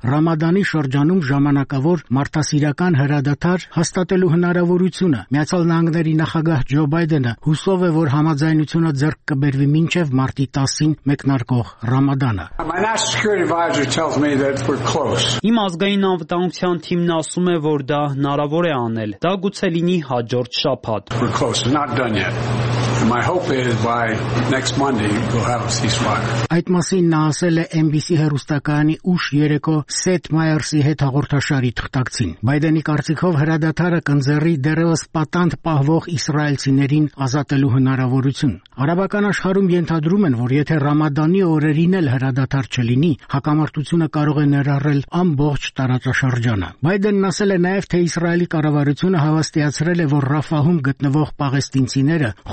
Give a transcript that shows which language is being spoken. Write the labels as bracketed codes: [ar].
[hy] Ռամադանի շրջանում ժամանակավոր մարդասիրական հրադադար հաստատելու հնարավորությունը։ Միացյալ Նահանգների նախագահ Ջո Բայդենը հուսով է, որ համաձայնությունը ձեռք կբերվի մինչև մարտի 10-ին մեկնարկող Ռամադանը։ Իմ ազգային անվտանգության թիմն ասում է, որ դա հնարավոր է անել։ Դա գուցե լինի հաջորդ շաբաթ։ [en] My hope is by next Monday we'll have a ceasefire. [hy] Այդ մասին նա ասել է MBC հեռուստակայանի ուշ երեկո Սեթ Մայերսի հետ հաղորդաշարի թղթակցին։ Բայդենի կարծիքով հրադադարը կընձեռի դեռևս պատանդ պահվող իսրայելցիներին ազատելու հնարավորություն։ Արաբական աշխարհում ենթադրում են, որ եթե Ռամադանի օրերին էլ հրադադար չլինի, հակամարտությունը կարող է ներառել ամբողջ տարածաշրջանը։ Բայդենն ասել է նաև, թե իսրայելի կառավարությունը հավաստիացրել է, որ Ռաֆահում գտնվող պաղեստինցիները